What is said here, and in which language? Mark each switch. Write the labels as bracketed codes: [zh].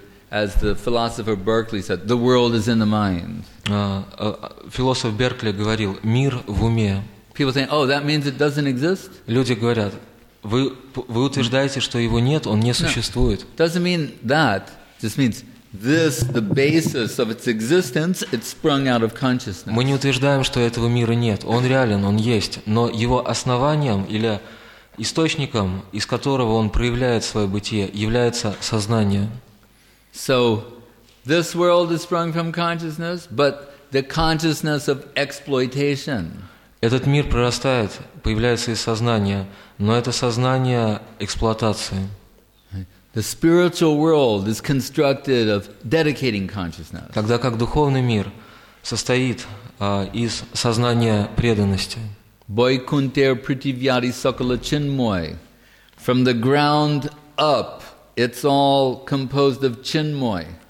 [en] As the philosopher Berkeley said, the world is in the mind. [ru] Философ Беркли говорил, мир в уме. [en] People say, oh, that means it doesn't exist? [ru] Люди говорят, вы утверждаете, что его нет, он не существует. [en] No, doesn't mean that. Just means this, the basis of its existence, it sprung out of consciousness. [ru] Мы не утверждаем, что этого мира нет. Он реален, он есть. Но его основанием или источником, из которого он проявляет свое бытие, является сознание. [en] So, this world is sprung from consciousness, but the consciousness of exploitation. [ru] Этот мир прорастает, появляется из сознания, но это сознание эксплуатации. [en] The spiritual world is constructed of dedicating consciousness. [ru] Тогда как духовный мир состоит из сознания преданности. [bn] Vaikunthar prithivyadi sakala chinmoy. [en] From the ground up, it's all composed of chinmoy.